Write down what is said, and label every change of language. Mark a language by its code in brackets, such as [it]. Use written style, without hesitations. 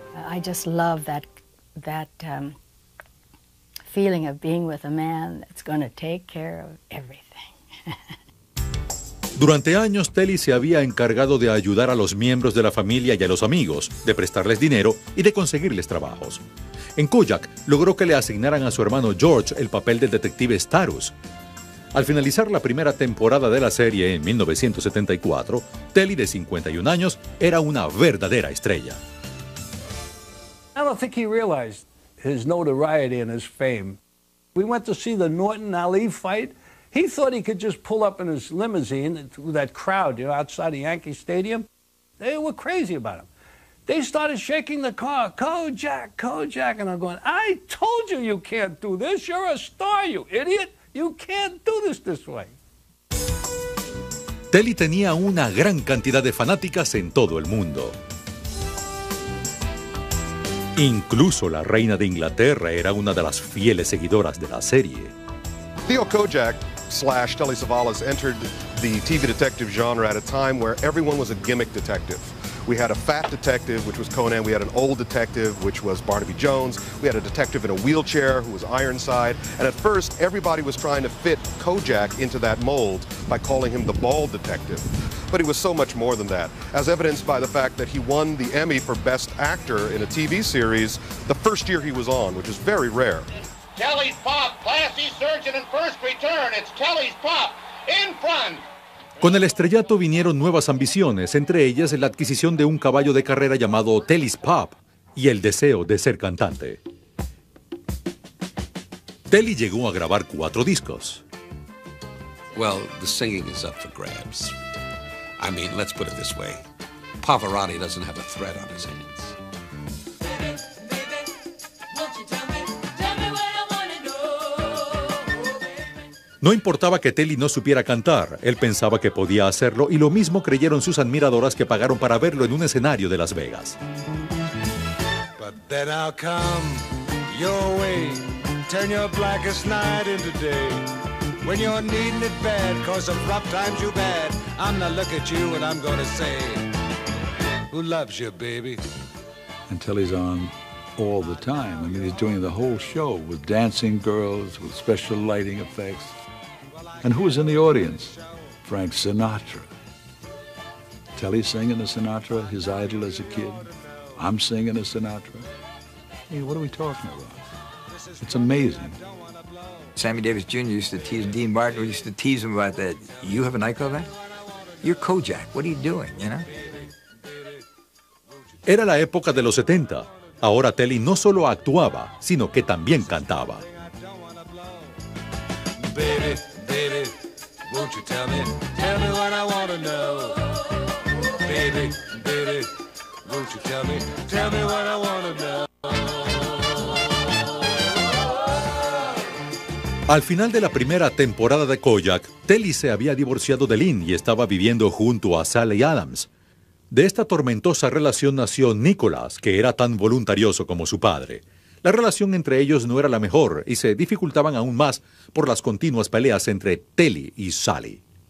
[en] I just love that feeling of being with a man that's going to take care of everything. [es] Durante años, Telly se había encargado de ayudar a los miembros de la familia y a los amigos, de prestarles dinero y de conseguirles trabajos. En Koyak, logró que le asignaran a su hermano George el papel del detective Starus. Al finalizar la primera temporada de la serie en 1974, Telly, de 51 años, era una verdadera estrella. [en] I don't think he realized his notoriety and his fame. We went to see the Norton-Ali fight. He thought he could just pull up in his limousine through that crowd, you know, outside the Yankee Stadium. They were crazy about him. They started shaking the car, Kojak, Kojak, and I'm going, I told you you can't do this. You're a star, you idiot. You can't do this way. [es] Telly tenía una gran cantidad de fanáticas en todo el mundo. Incluso la reina de Inglaterra era una de las fieles seguidoras de la serie. [en] Theo Koyak / Telly Savalas entered the TV detective genre at a time where everyone was a gimmick detective. We had a fat detective, which was Conan. We had an old detective, which was Barnaby Jones. We had a detective in a wheelchair, who was Ironside. And at first, everybody was trying to fit Koyak into that mold by calling him the bald detective. But he was so much more than that, as evidenced by the fact that he won the Emmy for Best Actor in a TV series the first year he was on, which is very rare. It's Telly's pop, classy surgeon and first return. It's Telly's pop in front. [es] Con el estrellato vinieron nuevas ambiciones, entre ellas la adquisición de un caballo de carrera llamado Telly's Pop y el deseo de ser cantante. Telly llegó a grabar 4 discos. [en] Well, the singing is up for grabs. I mean, let's put it this way. Pavarotti doesn't have a threat on his hands. [es] No importaba que Telly no supiera cantar, él pensaba que podía hacerlo y lo mismo creyeron sus admiradoras que pagaron para verlo en un escenario de Las Vegas. [en] But then I'll come your way, turn your blackest night into day. When you're needing it bad, cause of rough times you bad, I'm gonna look at you and I'm gonna say, who loves you, baby? And Telly's on all the time. I mean, he's doing the whole show with dancing girls, with special lighting effects. And who was in the audience? Frank Sinatra. Telly singing a Sinatra, his idol as a kid. I'm singing a Sinatra. Hey, what are we talking about? It's amazing. Sammy Davis Jr. used to tease, Dean Martin used to tease him about that. You have a nightclub act? You're Koyak. What are you doing, you know? [es] Era la época de los 70. Ahora Telly no solo actuaba, sino que también cantaba. [en] Baby. Baby, won't you tell me what I want to know? Baby, baby, won't you tell me what I want to know? [es] Al final de la primera temporada de Kojak, Telly se había divorciado de Lynn y estaba viviendo junto a Sally Adams. De esta tormentosa relación nació Nicholas, que era tan voluntarioso como su padre. La relación entre ellos no era la mejor y se dificultaban aún más por las continuas peleas entre Telly y Sally.